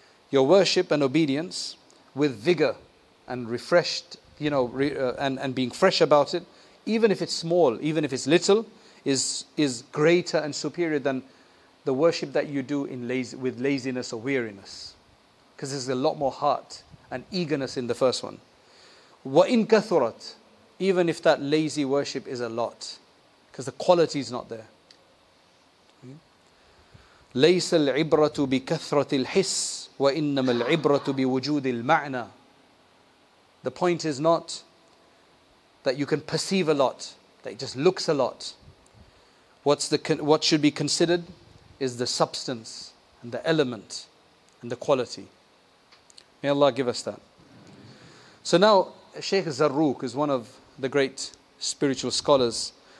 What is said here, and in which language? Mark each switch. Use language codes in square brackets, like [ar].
[en] Your worship and obedience with vigor and refreshed, you know, and being fresh about it, even if it's small, even if it's little, is greater and superior than the worship that you do with laziness or weariness. Because there's a lot more heart and eagerness in the first one. [ar] وَإِن كَثُرَتْ. [en] Even if that lazy worship is a lot, because the quality is not there. [ar] ليس العبرة بكثرة الحس وإنما العبرة بوجود المعنى. [en] The point is not that you can perceive a lot, that it just looks a lot. What should be considered is the substance and the element and the quality. May Allah give us that. So now Sheikh Zarruq is one of the great spiritual scholars.